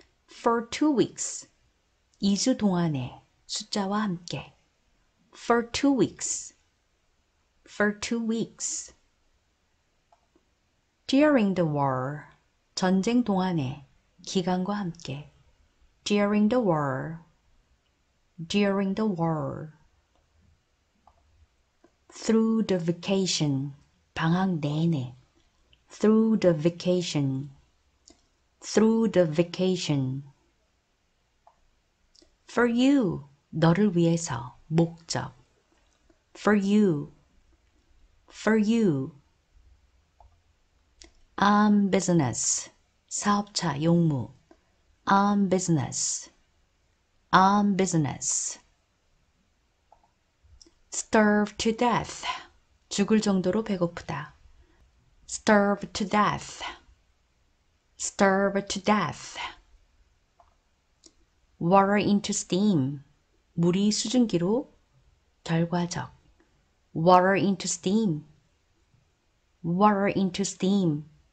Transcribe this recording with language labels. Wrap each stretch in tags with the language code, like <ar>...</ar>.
<en>For 2 weeks.</en> <ko>2주 동안에 숫자와 함께.</ko> <en>For 2 weeks. For 2 weeks. During the war.</en> <ko>전쟁 동안에 기간과 함께.</ko> <en>During the war, during the war. Through the vacation,</en> <ko>방학 내내.</ko> <en>Through the vacation, through the vacation. For you,</en> <ko>너를 위해서, 목적.</ko> <en>For you, for you. I'm business,</en> <ko>사업자, 용무.</ko> <en>On business, on business. Starve to death,</en> <ko>죽을 정도로 배고프다.</ko> <en>Starve to death, starve to death. Water into steam,</en> <ko>물이 수증기로 결과적.</ko> <en>Water into steam, water into steam.</en>